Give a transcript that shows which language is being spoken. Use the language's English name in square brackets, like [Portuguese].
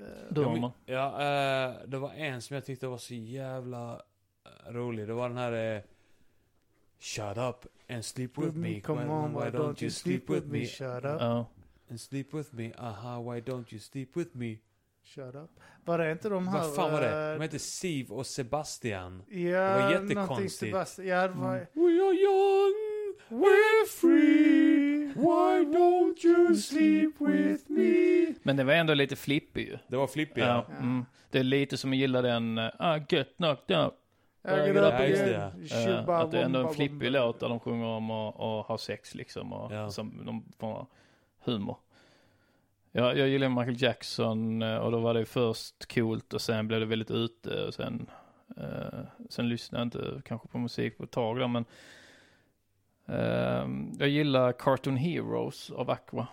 [Swedish] Det var en som jag tyckte var så jävla rolig. Det var den här [English] Shut up and sleep with me. Come on, why don't you sleep with me? Shut up. And sleep with me, aha, why don't you sleep with me? Shut up. [Swedish] Var det inte de här... Vad fan var det? De heter Siv och Sebastian. Ja, det var jättekonstigt. Ja, det var... [English] We are young, we're free, why don't you sleep with me? [Swedish] Men det var ändå lite flippig ju. Det var flippig, ja. Ja. Mm. Det är lite som jag gillar den... Gött nog, ja. Att det är ändå en flippig låt där de sjunger om och har sex liksom. Och ja. Som de får... humor. Ja, jag gillar Michael Jackson och då var det först coolt och sen blev det väldigt ute och sen lyssnade jag inte kanske på musik på ett tag då, men jag gillar Cartoon Heroes av Aqua.